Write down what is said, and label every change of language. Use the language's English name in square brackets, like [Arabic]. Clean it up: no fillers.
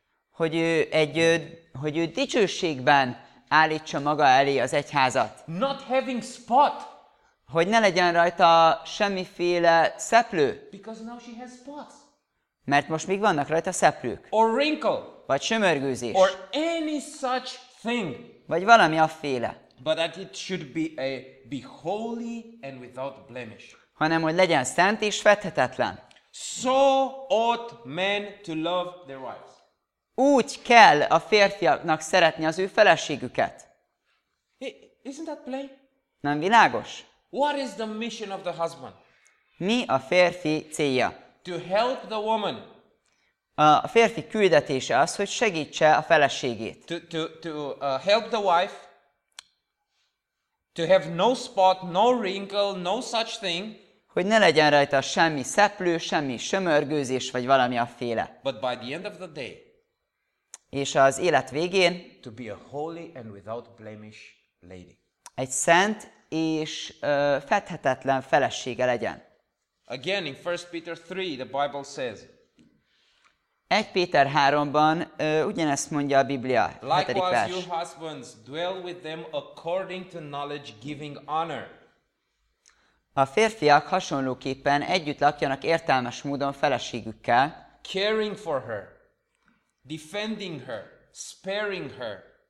[Hungarian] Hogy ő egy hogy ő dicsőségben állítsa maga elé az egyházat. [English] Not having spot. [Hungarian] Hogy ne legyen rajta semmiféle szeplő. [English] Because now she has spots. [Hungarian] Mert most még vannak rajta szeplők. [English] Or wrinkle. [Hungarian] Vagy sömörgőzés. [English] Or any such thing. [Hungarian] Vagy valami afféle. [English] But that it should be a be holy and without blemish. [Hungarian] Hanem hogy legyen szent és fethetetlen. [English] So ought men to love their wives. [Hungarian] Úgy kell a férfiaknak szeretni az ő feleségüket. [English] Isn't that plain? [Hungarian] Nem világos? [English] What is the mission of the husband? [Hungarian] Mi a férfi célja? [English] To help the woman. [Hungarian] A férfi küldetése az, hogy segítse a feleségét. [English] To help the wife. To have no spot, no wrinkle, no such thing. [Hungarian] Hogy ne legyen rajta semmi szeplő, semmi sömörgőzés, vagy valami afféle. [English] But by the end of the day. [Hungarian] És az élet végén. [English] To be a holy and without blemish lady. [Hungarian] Egy szent és fethetetlen felesége legyen. [English] Again, in 1 Peter 3, the Bible says. [Hungarian] 1 Péter 3-ban ugyanezt mondja a Biblia, 7. vers. [English] Likewise, you husbands, dwell with them according to knowledge, giving honor. [Hungarian] A férfiak hasonlóképpen együtt lakjanak értelmes módon feleségükkel. [English] Caring for her, defending her, sparing her.